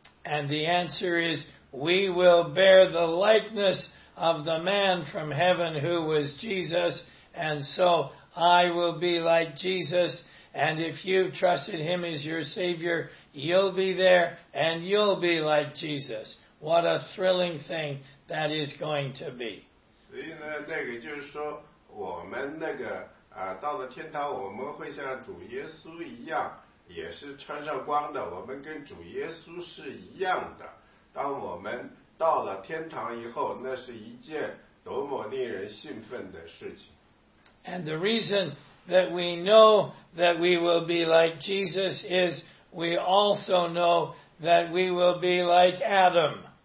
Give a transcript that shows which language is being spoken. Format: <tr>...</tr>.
<en>And the answer is, we will bear the likeness of the man from heaven who was Jesus, and so I will be like Jesus, and if you've trusted him as your Savior, you'll be there, and you'll be like Jesus. What a thrilling thing that is going to be.</en> <zh>所以呢，那个就是说，我们那个到了天堂，我们会像主耶稣一样，也是穿上光的，我们跟主耶稣是一样的。当我们</zh> <en>And the reason that we know that we will be like Jesus is we also know that we will be like Adam.</en>